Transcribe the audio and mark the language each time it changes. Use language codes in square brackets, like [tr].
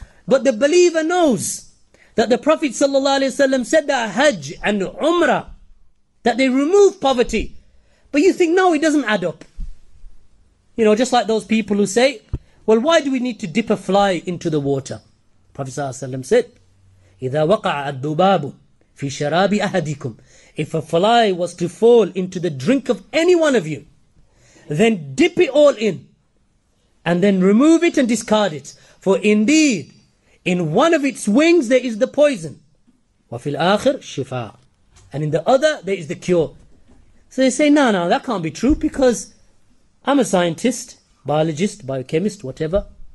[en] But the believer knows that the Prophet sallallahu alaihi wasallam said that hajj and umrah, that they remove poverty. But you think, no, it doesn't add up. You know, just like those people who say, well, why do we need to dip a fly into the water? Prophet sallallahu alaihi wasallam said, [ar] إِذَا وَقَعَ الدُّبَابُ فِي شَرَابِ أَهَدِكُمْ. [en] If a fly was to fall into the drink of any one of you, then dip it all in, and then remove it and discard it. For indeed, in one of its wings there is the poison. [ar] وَفِي الْآخِرْ شِفَاء. [en] And in the other, there is the cure. So they say, no, that can't be true, because I'm a scientist, biologist, biochemist, whatever.